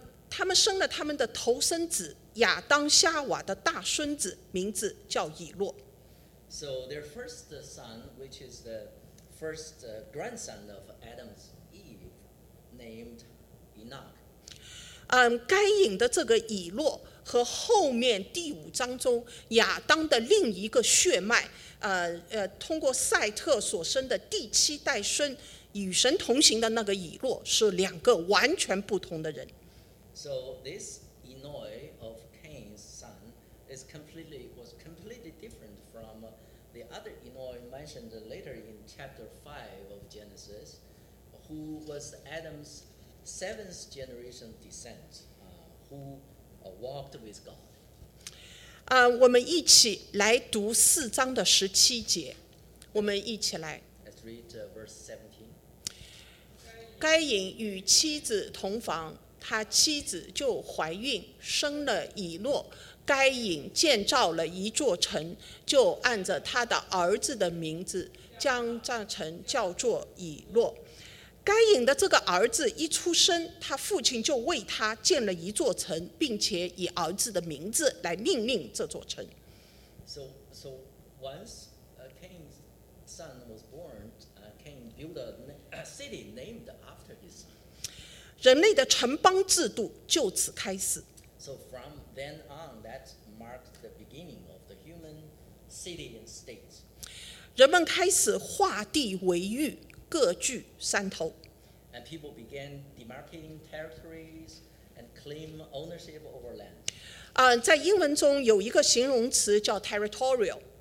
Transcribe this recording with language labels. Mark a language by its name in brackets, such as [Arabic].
[Chinese] 他们生了他们的头生子。亚当夏娃的大孙子名字叫以诺。 [English] So their first son, which is the first grandson of Adam's Eve, named Enoch. [Chinese] 该隐的这个以诺和后面第五章中亚当的另一个血脉，通过赛特所生的第七代孙与神同行的那个以诺是两个完全不同的人。 [English] So this Enoch of Cain's son was completely different from the other Enoch mentioned later in chapter 5 of Genesis, who was Adam's seventh generation descent, who walked with God. [Chinese] 我们一起来读四章的十七节，我们一起来。 [English] Let's read verse 17. [Chinese] 该隐与妻子同房，他妻子就怀孕生了以诺。该隐建造了一座城，就按着他的儿子的名字将这城叫做以诺。该隐的这个儿子一出生，他父亲就为他建了一座城，并且以儿子的名字来命令这座城。 [English] So once Cain's son was born, Cain built a city named after his son. [Chinese] 人类的城邦制度就此开始。 [English] So from then on, that marked the beginning of the human city and state. [Chinese] 人们开始划地为域，各据山头。 [English] And people began demarcating territories and claim ownership over land. [Chinese] 在英文中有一个形容词叫 territorial.